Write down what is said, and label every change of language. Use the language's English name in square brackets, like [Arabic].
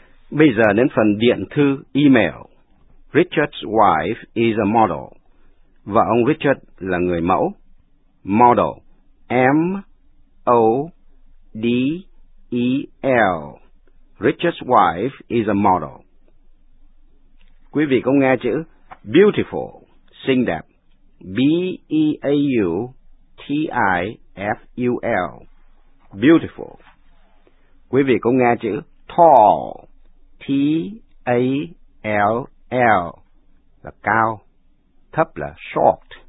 [Vietnamese] Bây giờ đến phần điện thư email. [English] Richard's wife is a model. [Vietnamese] Vợ ông Richard là người mẫu. [English] Model. M-O-D-E-L. Richard's wife is a model. [Vietnamese] Quý vị có nghe chữ beautiful, xinh đẹp. B-E-A-U-T-I-F-U-L. Beautiful. Quý vị có nghe chữ tall. T-A-L-L là cao, thấp là short.